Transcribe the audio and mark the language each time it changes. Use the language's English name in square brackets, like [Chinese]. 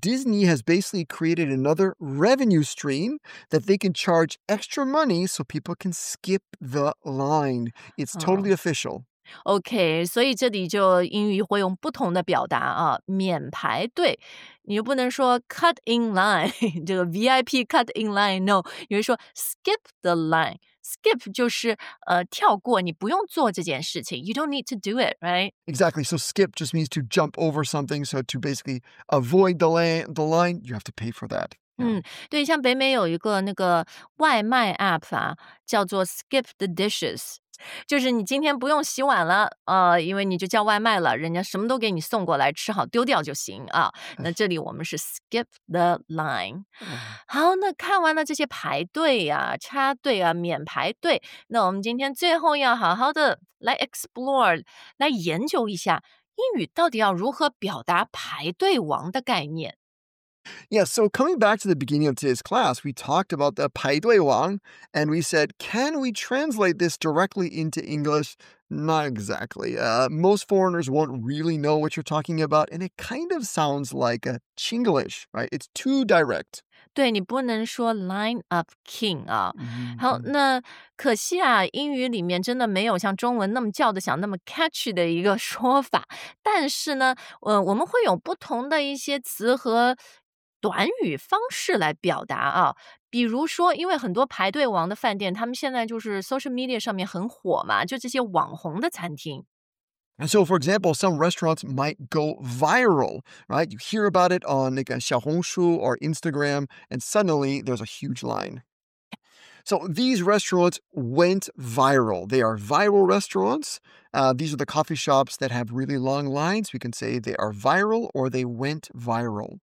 [English] Disney has basically created another revenue stream that they can charge extra money so people can skip the line. It's totally official. [Chinese] Okay, 所以这里就英语会用不同的表达啊，免排队。你又不能说 cut in line, 这个 VIP cut in line, no. 你会说 skip the line. Skip 就是跳过，你不用做这件事情。 [English] You don't need to do it, right? Exactly. So skip just means to jump over something. So to basically avoid the line, you have to pay for that. [Chinese] Yeah. 对，像北美有一个那个外卖 app 啊，叫做 skip the dishes. 就是你今天不用洗碗了因为你就叫外卖了人家什么都给你送过来吃好丢掉就行啊那这里我们是 skip the line 好那看完了这些排队啊插队啊免排队那我们今天最后要好好的来 explore 来研究一下英语到底要如何表达排队王的概念 [English] Yeah, so coming back to the beginning of today's class, we talked about the 排队王, and we said, can we translate this directly into English? Not exactly. Most foreigners won't really know what you're talking about, and it kind of sounds like a Chinglish, right? It's too direct. [Chinese] 对,你不能说 line up king 啊。好,那可惜啊,英语里面真的没有像中文那么叫得响,那么 catchy 的一个说法。但是呢,我们会有不同的一些词和短语方式来表达啊，比如说，因为很多排队王的饭店，他们现在就是 social media 上面很火嘛，就这些网红的餐厅。 [English] And so, for example, some restaurants might go viral, right? You hear about it on 那个小红书 or Instagram, and suddenly there's a huge line. So these restaurants went viral. They are viral restaurants. These are the coffee shops that have really long lines. We can say they are viral or they went viral.